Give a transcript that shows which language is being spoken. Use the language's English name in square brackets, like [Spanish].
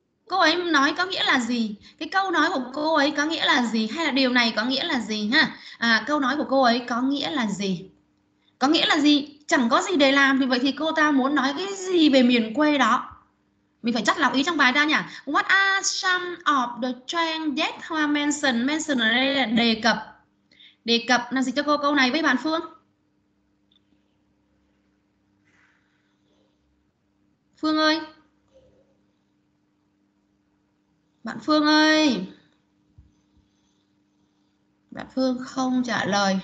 [Vietnamese] Cô ấy nói có nghĩa là gì? Cái câu nói của cô ấy có nghĩa là gì? Hay là điều này có nghĩa là gì ha? À, câu nói của cô ấy có nghĩa là gì? Có nghĩa là gì? Chẳng có gì để làm thì vậy thì cô ta muốn nói cái gì về miền quê đó? Mình phải chắt lọc ý trong bài ra nhỉ? [English] What are some of the trends that Hoa mentioned? [Vietnamese] Mention ở đây là đề cập. Đề cập là gì cho cô câu này với bạn Phương? Phương ơi! Bạn Phương ơi, bạn Phương không trả lời.